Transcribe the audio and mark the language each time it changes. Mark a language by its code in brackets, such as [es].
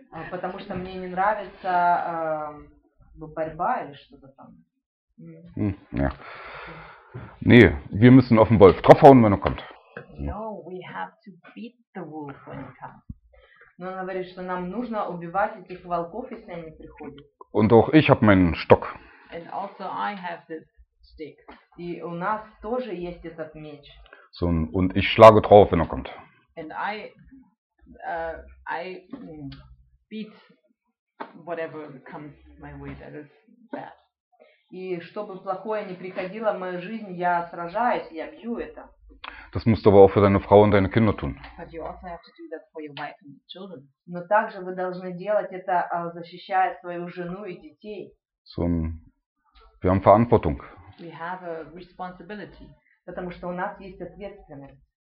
[ru] Потому что мне не нравится борьба или что-то там. Ja. [de] Nee, wir müssen auf den Wolf draufhauen, wenn er kommt. [en] No, we have to beat the wolf when he comes. [ru] Но она говорит, что нам нужно убивать этих волков, если они приходят. [de] Und auch ich habe meinen Stock. [en] And also I have this stick. [ru] И у нас тоже есть этот меч. [de] So, und ich schlage drauf, wenn er kommt. [en] And I beat whatever comes my way that is bad. [ru] И чтобы плохое не приходило в мою жизнь, я сражаюсь, я бью это. [de] Das musst du aber auch für deine Frau und deine Kinder tun. [en] But you also have to do that for your wife and children. [ru] Но также вы должны делать это, защищая свою жену и детей. [de] So, wir haben Verantwortung. [en] We have a responsibility. [ru] Потому что у нас есть ответственность.